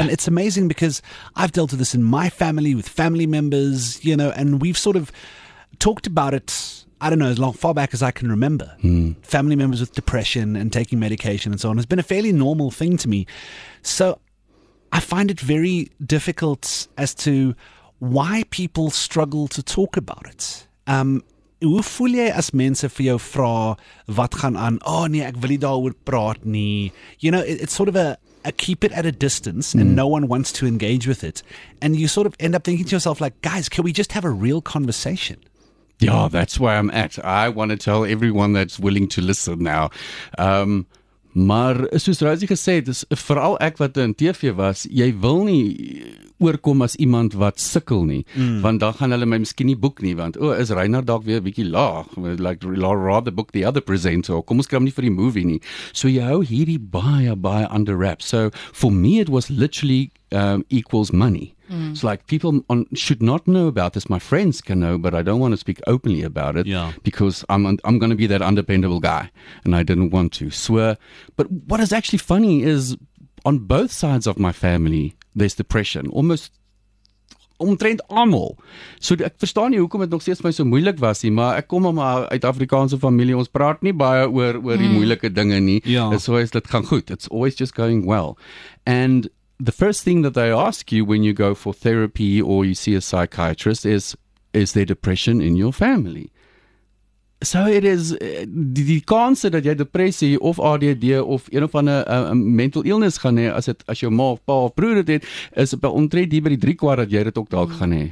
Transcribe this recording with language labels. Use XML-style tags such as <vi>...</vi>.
<en>And it's amazing because I've dealt with this in my family, with family members, you know, and we've sort of talked about it, I don't know, as long, far back as I can remember. Mm. Family members with depression and taking medication and so on has been a fairly normal thing to me. So I find it very difficult as to why people struggle to talk about it.</en> <af>Hoe voel jy as mense vir jou vra wat gaan aan? Oh nee, ek wil nie daaroor praat nie.</af> <en>You know, it's sort of a keep it at a distance and no one wants to engage with it. And you sort of end up thinking to yourself like, guys, can we just have a real conversation? Yeah, that's where I'm at. I want to tell everyone that's willing to listen now.</en> <af>Maar soos Rosie gesê het, veral ek wat in TV was, jy wil nie oorkom as iemand wat sukkel nie, want dan gaan hulle my miskien nie boek nie, want is Reinhard dalk weer 'n bietjie laag,</af> <en>like rather book the other presenter,</en> <af>kom ons kom nie vir die movie nie. So jy hou hierdie baie baie</af> <en>under wraps. So for me it was literally equals money. It's so like people on, should not know about this. My friends can know, but I don't want to speak openly about it because I'm going to be that undependable guy. And I didn't want to swear. But what is actually funny is on both sides of my family, there's depression. Almost,</en> <af>omtrent almal. So ek verstaan nie hoekom dit nog steeds vir my so moeilik was nie, maar ek kom om uit Afrikaanse familie, ons praat nie baie oor die moeilike dinge nie.</af> <en>Yeah.</en> <af>So is dit gaan goed.</af> <en>It's always just going well. And the first thing that they ask you when you go for therapy or you see a psychiatrist is there depression in your family?</en> <af>So it is, die kanse dat jy depressie of ADD of een of ander mental illness gaan hê, as jou ma of pa of broer dit het, is by omtrent die by die 3/4 dat jy dit ook dalk gaan hê.</af>